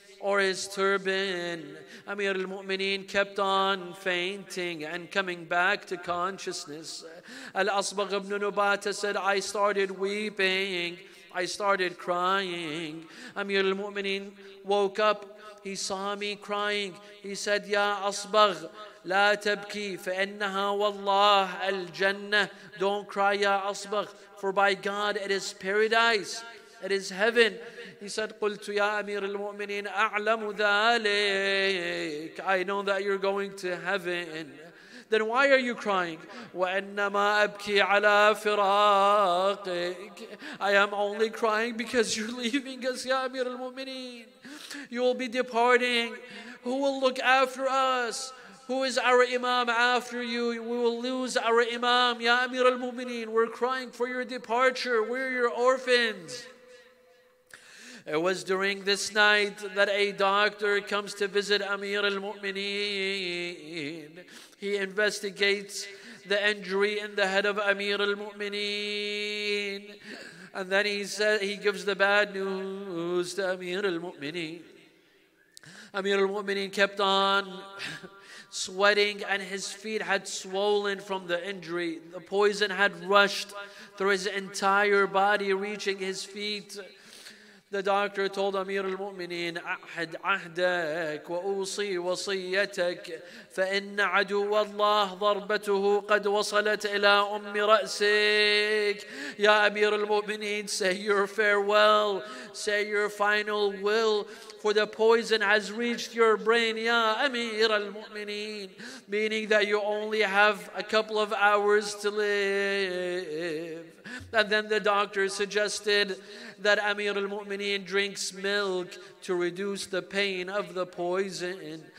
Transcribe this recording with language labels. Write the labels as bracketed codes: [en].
[en] or his turban. Amir al-Mu'mineen kept on fainting and coming back to consciousness. Al-Asbagh ibn Nubata said, I started weeping, I started crying. Amir al-Mu'mineen woke up, he saw me crying. He said, Ya Asbagh, [ar] لا تبكي فإنها والله الجنة. [en] Don't cry, Ya Asbagh, for by God it is paradise, it is heaven. He said, [ar] قلت يا أمير المؤمنين أعلم ذلك. [en] I know that you're going to heaven. Then why are you crying? [ar] وإنما أبكي على فراقك. [en] I am only crying because you're leaving us, Ya أمير المؤمنين. You will be departing. Who will look after us? Who is our imam after you? We will lose our imam, Ya Amir al-Mu'mineen. We're crying for your departure. We're your orphans. It was during this night that a doctor comes to visit Amir al-Mu'mineen. He investigates the injury in the head of Amir al-Mu'mineen. And then he gives the bad news to Amir al-Mu'mineen. Amir al-Mu'mineen kept on sweating, and his feet had swollen from the injury. The poison had rushed through his entire body, reaching his feet. The doctor told Amir al-Mu'mineen, [ar] أحد عهدك وأوصي وصيتك فإن عدو الله ضربته قد وصلت إلى أم رأسك. [en] يا أمير المؤمنين, say your farewell, say your final will, for the poison has reached your brain, Ya Amir al-Mu'mineen, meaning that you only have a couple of hours to live. And then the doctor suggested that Amir al-Mu'mineen drinks milk to reduce the pain of the poison.